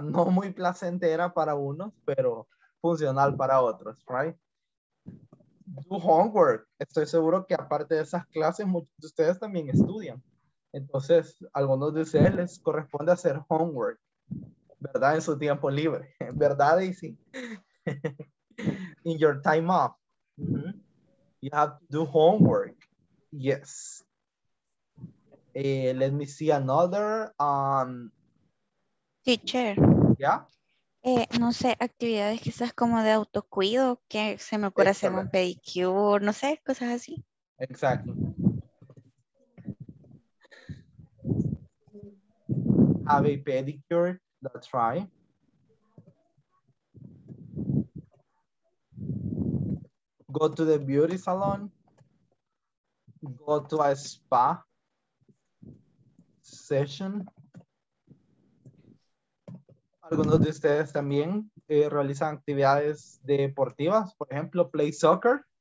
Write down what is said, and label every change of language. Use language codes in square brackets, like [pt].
[es] No muy placentera para unos, pero funcional para otros, right? [en] Do homework. [es] Estoy seguro que aparte de esas clases, muchos de ustedes también estudian. Entonces, algunos de ustedes les corresponde hacer homework, ¿verdad? En su tiempo libre, ¿verdad, Daisy? [en] In your time off, you have to do homework. Yes. Let me see another. Teacher. Yeah. [es] No sé, actividades quizás como de autocuido, que se me ocurre hacer un pedicure, no sé, cosas así. Exacto. [en] Have a pedicure, that's right. Go to the beauty salon, go to a spa session. [es] Algunos de ustedes también realizan actividades deportivas, por ejemplo, [en] play soccer.